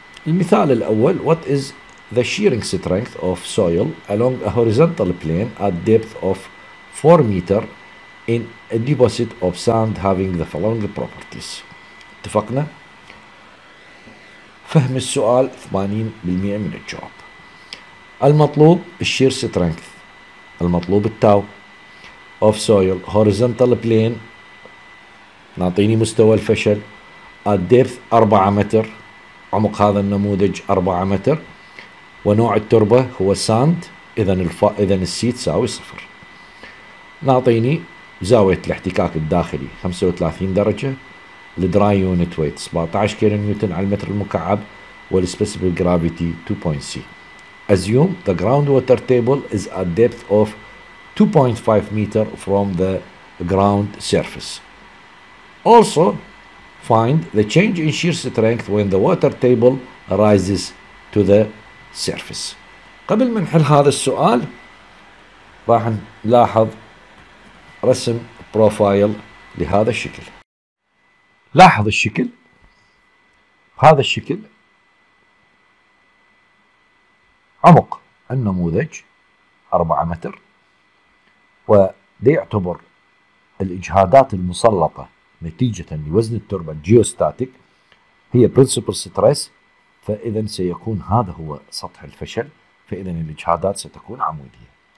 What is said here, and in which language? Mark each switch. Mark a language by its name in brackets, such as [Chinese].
[Arabic] المثال الأول: [English] What is the shearing strength of soil along a horizontal plane at depth of 4 meter in a deposit of sand having the following properties؟ [Arabic] اتفقنا؟ فهم السؤال 80% من الجواب. المطلوب الشير سترينث، المطلوب التاو [English] of soil horizontal plane، [Arabic] نعطيني مستوى الفشل، [English] at depth 4 [Arabic] متر، عمق هذا النموذج 4 متر، ونوع التربة هو ساند، إذن السي تساوي صفر. نعطيني زاوية الاحتكاك الداخلي 35 درجة، الدراي يونت ويت 17 كيلو نيوتن على المتر المكعب، والسبيسيفيك جرافيتي 2.0. [English] Assume the groundwater table is at depth of 2.5 meter from the ground surface. Also find the change in shear strength when the water table rises to the surface. [Arabic] قبل ما نحل هذا السؤال راح نلاحظ رسم بروفايل لهذا الشكل. لاحظ الشكل، هذا الشكل عمق النموذج 4 متر، ويعتبر الإجهادات المسلطة نتيجة لوزن التربة جيوستاتيك هي principal stress، فإذا سيكون هذا هو سطح الفشل، فإذا الإجهادات ستكون عمودية.